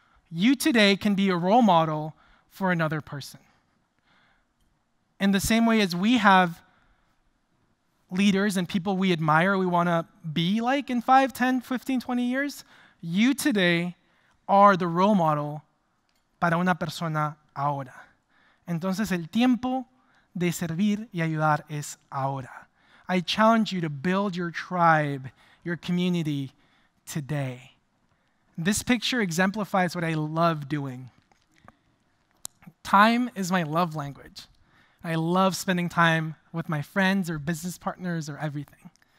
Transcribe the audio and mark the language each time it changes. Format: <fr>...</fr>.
<en>You today can be a role model for another person. In the same way as we have leaders and people we admire, we want to be like in 5, 10, 15, 20 years, you today are the role model</en> <es>para una persona ahora. Entonces, el tiempo de servir y ayudar es ahora.</es> <en>I challenge you to build your tribe, your community, today. This picture exemplifies what I love doing. Time is my love language. I love spending time with my friends or business partners or everything.</en>